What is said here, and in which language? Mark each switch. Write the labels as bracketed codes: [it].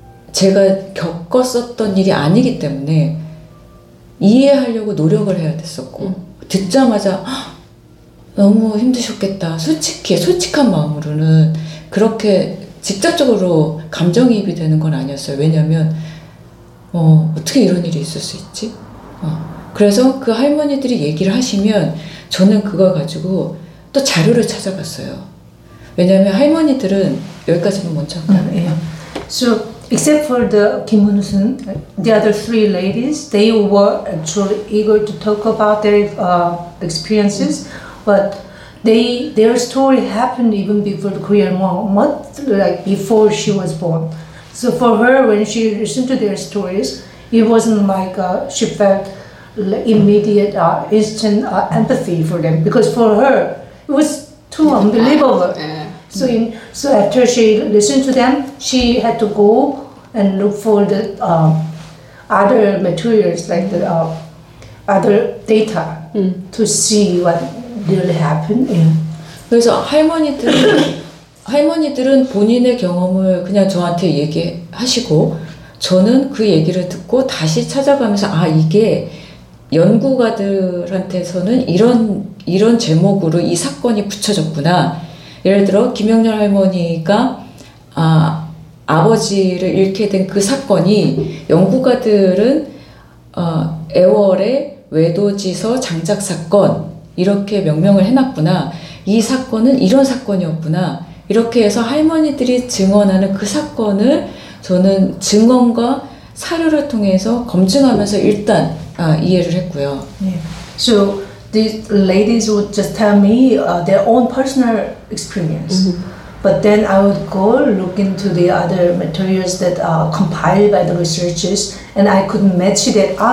[ko] 제가 겪었었던 일이 아니기 때문에 이해하려고 노력을 해야 됐었고 듣자마자 너무 힘드셨겠다 솔직히 솔직한 마음으로는 그렇게 직접적으로 감정이입이 되는 건 아니었어요. 왜냐면 어떻게 이런 일이 있을 수 있지? 그래서 그 할머니들이 얘기를 하시면 저는 그걸 가지고 또 자료를 찾아봤어요. 왜냐면 할머니들은 여기까지는 먼저 할까요? [en] So, except for the Kim Eun-sun, the other three ladies, they were actually eager to talk about their experiences, but their story happened even before the Korean War, month, like before she was born. So for her, when she listened to their stories, it wasn't like she felt immediate, instant empathy for them, because for her, it was too unbelievable. So after she listened to them, she had to go and look for the other materials, like the other data, to see what really happened. Yeah. [ko] 그래서 할머니들은 본인의 경험을 그냥 저한테 얘기하시고, 저는 그 얘기를 듣고 다시 찾아가면서 아 이게 연구가들한테서는 이런 제목으로 이 사건이 붙여졌구나. 예를 들어 김영렬 할머니가 아버지를 잃게 된 그 사건이 연구가들은 애월의 외도지서 장작 사건 이렇게 명명을 해놨구나. 이 사건은 이런 사건이었구나. 이렇게 해서 할머니들이 증언하는 그 사건을 저는 증언과 사료를 통해서 검증하면서 일단 이해를 했고요. Yeah. [en] So these ladies would just tell me their own personal experience. But then I would go look into the other materials that are compiled by the researchers, and I could match that.